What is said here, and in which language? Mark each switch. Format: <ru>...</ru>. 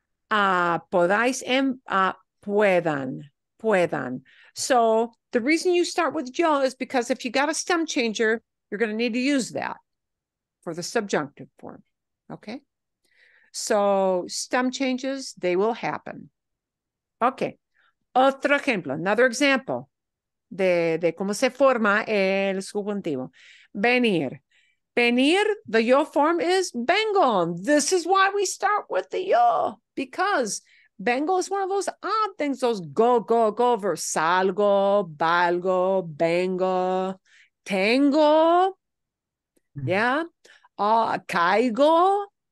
<es>Podáis en puedan, puedan.</es> <en>So the reason you start with yo is because if you got a stem changer, you're going to need to use that for the subjunctive form. Okay, so stem changes, they will happen.</en> <es>Okay, otro ejemplo,</es> <en>another example</en> <es>de cómo se forma el subjuntivo.</es> <en>Venir. Venir, the yo form is vengo. This is why we start with the yo, because vengo is one of those odd things, those go, go, go verbs.</en> <es>Salgo, valgo, vengo, tengo, yeah, caigo.</es>